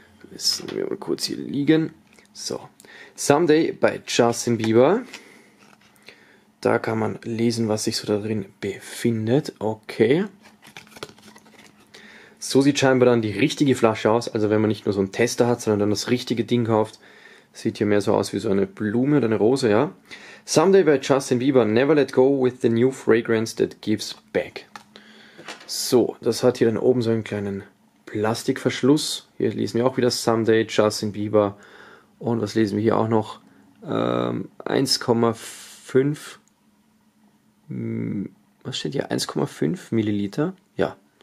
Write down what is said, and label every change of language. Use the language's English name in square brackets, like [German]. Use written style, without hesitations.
[German] Müssen wir mal kurz hier liegen. So. Someday bei Justin Bieber. Da kann man lesen, was sich so da drin befindet. Okay. So sieht scheinbar dann die richtige Flasche aus. Also wenn man nicht nur so einen Tester hat, sondern dann das richtige Ding kauft. Sieht hier mehr so aus wie so eine Blume oder eine Rose, ja. [English] Someday by Justin Bieber. Never let go with the new fragrance that gives back. [German] So, das hat hier dann oben so einen kleinen Plastikverschluss. Hier lesen wir auch wieder Someday, Justin Bieber. Und was lesen wir hier auch noch? 1,5. Was steht hier? 1,5 Milliliter. Ja.